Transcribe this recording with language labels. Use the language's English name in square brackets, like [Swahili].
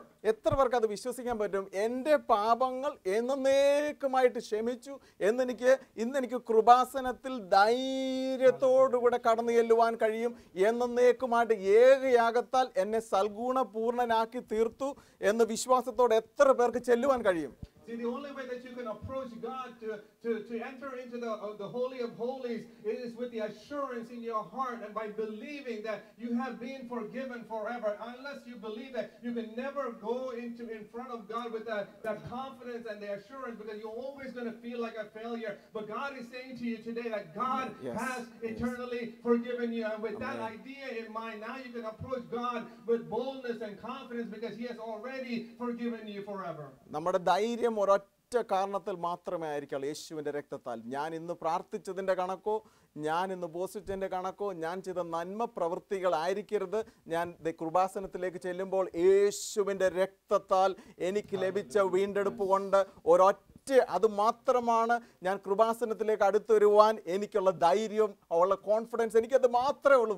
[Malayalam] എത്ര പേർക്ക് അത് വിശ്വസിക്കാൻ പറ്റും? എൻ്റെ പാപങ്ങൾ എന്നേക്കുമായിട്ട് ക്ഷമിച്ചു എന്നെനിക്ക് ഇന്നെനിക്ക് കൃപാസനത്തിൽ ധൈര്യത്തോടുകൂടെ കടന്നു ചെല്ലുവാൻ കഴിയും. എന്നേക്കുമായിട്ട് ഏകയാഗത്താൽ എന്നെ സൽഗുണപൂർണനാക്കി തീർത്തു എന്ന് വിശ്വാസത്തോടെ എത്ര പേർക്ക് ചെല്ലുവാൻ കഴിയും? [English] See, the only way that you can approach God to enter into the Holy of Holies is with the assurance in your heart and by believing that you have been forgiven forever. Unless you believe that, you can never go into in front of God with that confidence and the assurance, because you're always going to feel like a failure. But God is saying to you today that God has eternally forgiven you. And with that idea in mind, now you can approach God with boldness and confidence because He has already forgiven you forever. [Malayalam] ഒരൊറ്റ കാരണത്തിൽ മാത്രമേ ആയിരിക്കും യേശുവിൻ്റെ രക്തത്താൽ. ഞാൻ ഇന്ന് പ്രാർത്ഥിച്ചതിൻ്റെ കണക്കോ, ഞാൻ ഇന്ന് ഉപവസിച്ചതിൻ്റെ കണക്കോ, ഞാൻ ചെയ്ത നന്മ പ്രവൃത്തികളായിരിക്കരുത്. ഞാൻ കൃപാസനത്തിലേക്ക് ചെല്ലുമ്പോൾ യേശുവിൻ്റെ രക്തത്താൽ എനിക്ക് ലഭിച്ച വീണ്ടെടുപ്പ് കൊണ്ട് ഒരൊറ്റ അത് മാത്രമാണ് ഞാൻ കൃപാസനത്തിലേക്ക് അടുത്തു വരുവാൻ എനിക്കുള്ള ധൈര്യം, ഉള്ള കോൺഫിഡൻസ്. എനിക്കത് മാത്രമേ ഉള്ളൂ.